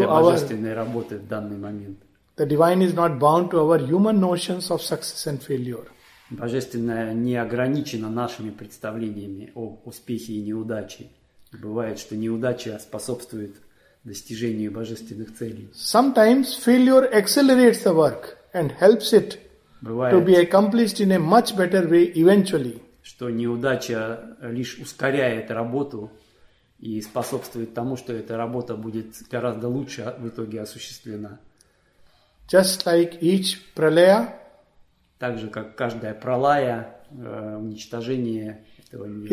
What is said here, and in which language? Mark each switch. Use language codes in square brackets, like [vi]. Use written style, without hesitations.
[ru] для божественной работы в данный момент. [en] The divine is not bound to our human notions of success and failure. [ru] Божественное не ограничено нашими представлениями о успехе и неудаче. Бывает, что неудача способствует достижению божественных целей. [en] Sometimes failure accelerates the work and helps it to be accomplished in a much better way eventually. [ru] Что неудача лишь ускоряет работу и способствует тому, что эта работа будет гораздо лучше в итоге осуществлена. [en] Just like each pralaya. [ru] Так же, как каждая пралая, уничтожение этого мира.